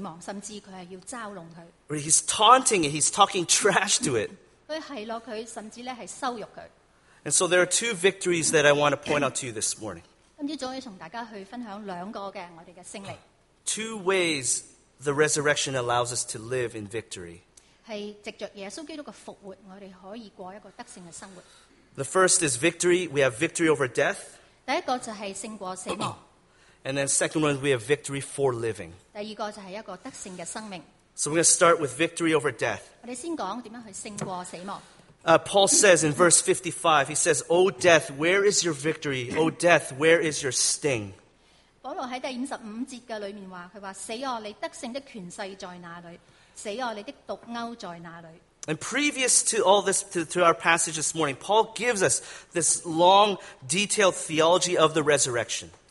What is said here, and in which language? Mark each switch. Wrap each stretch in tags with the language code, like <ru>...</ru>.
<zh>保罗他是非常肯定，我们已经是得胜了死亡，甚至他是要嘲弄他。</zh> <en>He's taunting it, he's talking trash to it.</en> <zh>他奚落他，甚至是羞辱他。</zh> <en>And so there are two victories that I want to point out to you this morning.</en> <zh>今早要跟大家去分享两个我们的胜利。</zh> <en>Two ways the resurrection allows us to live in victory.</en> <zh>是藉着耶稣基督的复活，我们可以过一个得胜的生活。</zh> <en>The first is victory. We have victory over death.</en> <zh>第一个就是胜过死亡。</zh> <en>And then second one, we have victory for living.</en> <zh>第二个就是一个得胜的生命。</zh> <en>So we're going to start with victory over death.</en> <zh>我们先讲怎样去胜过死亡。</zh> <en>Paul says in verse 55, he says, O death, where is your victory? O death, where is your sting?</en> <zh>保罗在第55节里面说，他说，死啊，你得胜的权势在哪里？死啊，你的毒钩在哪里？</zh> <en>And previous to all this, to our passage this morning, Paul gives us this long, detailed theology of the resurrection.</en>